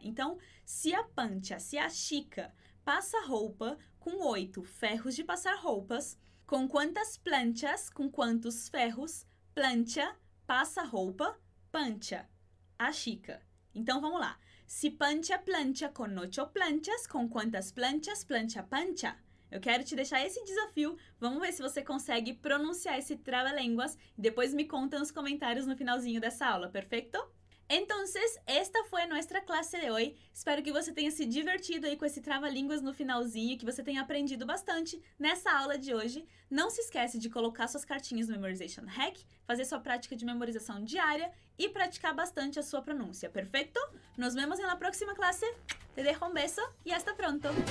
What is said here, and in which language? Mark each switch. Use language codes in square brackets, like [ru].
[pt] Então, se a Pancha, se a Chica passa roupa com 8 ferros de passar roupas, com quantas planchas, com quantos ferros, plancha, passa roupa, pancha, a Chica. Então, vamos lá. [es] Si pancha plancha con 8 planchas, [pt] com quantas planchas, plancha, pancha. Eu quero te deixar esse desafio. Vamos ver se você consegue pronunciar esse trava-línguas. Depois me conta nos comentários no finalzinho dessa aula, perfeito? [es] Entonces, esta fue nuestra clase de hoy. [pt] Espero que você tenha se divertido aí com esse trava-línguas no finalzinho, que você tenha aprendido bastante nessa aula de hoje. Não se esquece de colocar suas cartinhas no Memorization Hack, fazer sua prática de memorização diária e praticar bastante a sua pronúncia, perfeito? Nos vemos na próxima classe. [es] Te dejo un beso y hasta pronto!